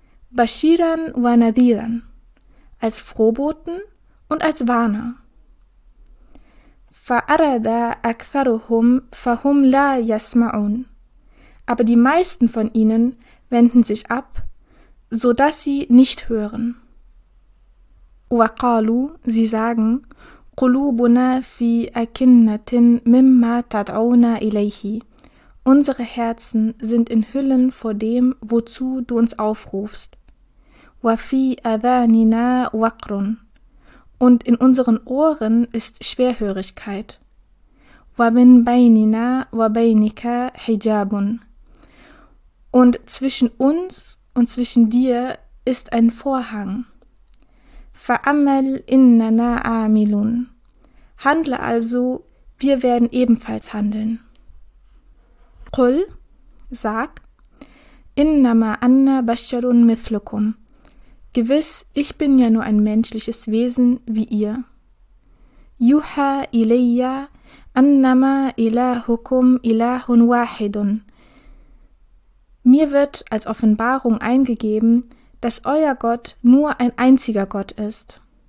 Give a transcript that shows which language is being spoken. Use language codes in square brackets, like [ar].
[ar] Bashiran wa nadhiran, [de] als Frohboten und als Warner. [ar] Fa'arada aktharuhum fahum la yasma'un. [de] Aber die meisten von ihnen wenden sich ab, so dass sie nicht hören. [ar] Wa qalu, [de] sie sagen, [ar] قُلُوبُنَا فِي أَكِنَّةٍ مِمَّا تَدْعُونَا إِلَيْهِ. [de] Unsere Herzen sind in Hüllen vor dem, wozu du uns aufrufst. [ar] وَفِي أَذَانِنَا وَقْرٌ. [de] Und in unseren Ohren ist Schwerhörigkeit. [ar] وَمِنْ بَيْنِنَا وَبَيْنِكَ حِجَابٌ. [de] Und zwischen uns und zwischen dir ist ein Vorhang. [ar] فَأَمَّلْ إِنَّنَا عَامِلُونَ. [de] Handle also, wir werden ebenfalls handeln. [ar] قُلْ, [de] sag, [ar] إِنَّمَا أَنَّا بَشَّرٌ مِثْلُكُمْ. [de] Gewiss, ich bin ja nur ein menschliches Wesen wie ihr. [ar] يُحَا إِلَيَّا أَنَّمَا إِلَهُكُمْ إِلَهٌ وَاحِدٌ. [de] Mir wird als Offenbarung eingegeben, dass euer Gott nur ein einziger Gott ist.